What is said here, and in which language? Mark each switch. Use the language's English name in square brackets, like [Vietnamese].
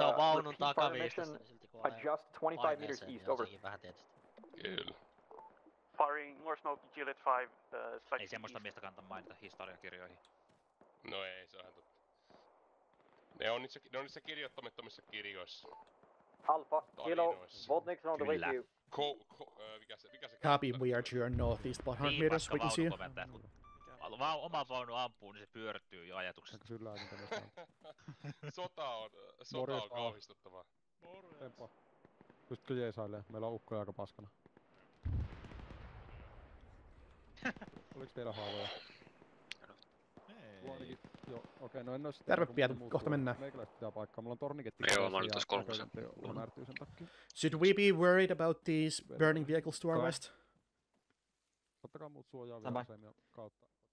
[English] repeat fire mission, adjust 25 meters east, over. [Finnish] Kyllä. [English] Firing more smoke, Juliet 5, slightly east. [Finnish] Ei semmoista miestä kannata mainita historiakirjoihin. No ei, se on ihan totta. Ne on niissä kirjoittamattomissa kirjoissa. [English] Alpha, kilo, Vodniks on the way to you. [Finnish] Mikä se [English] copy, we are to your northeast 100 meters, we can see you. [Finnish] Mikä? vaan oma vaunu ampuu, niin se pyörtyy jo ajatuksesta. Eikö sillä ääni tämmöistä? Sota on kauhistuttavaa. Morjens. Pystytkö jeesailemaan? Meillä on ukkoja aika paskana. Oliks teillä haavoja? Ei. Joo, okei, terve Piet, kohta mennään. Meikäläiset pitää paikkaa, mulla on torniketti. Joo, mä olin tässä kolmosen. [English] Should we be worried about these burning vehicles to our west? [Finnish] Ottakaa muut suojaa vielä asemia kautta.